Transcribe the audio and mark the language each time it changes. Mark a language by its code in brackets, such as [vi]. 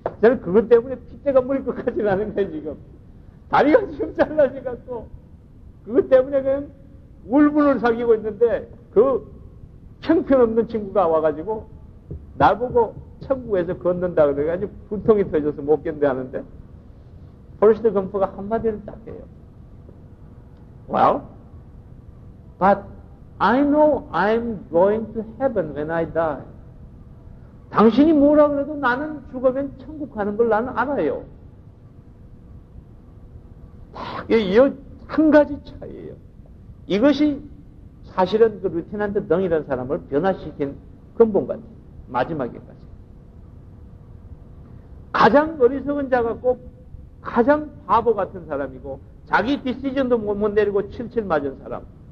[ko] 저는 그것 때문에 핏대가 물릴 것 같지는 않은데 지금 다리가 지금 잘라져서 그것 때문에 그냥 울분을 삼키고 있는데 그 형편없는 친구가 와가지고 나보고 천국에서 걷는다 그래가지고 분통이 터져서 못 견뎌하는데 포레스트 검프가 한마디를 딱 해요. [en] Well, but I know I'm going to heaven when I die. [ko] 당신이 뭐라 그래도 나는 죽으면 천국 가는 걸 나는 알아요. 이 한 가지 차이에요. 이것이 사실은 그 루티난트 덩이라는 사람을 변화시킨 근본까지 마지막에까지 가장 어리석은 자가 꼭 가장 바보 같은 사람이고 자기 디시전도 못 내리고 칠칠 맞은 사람.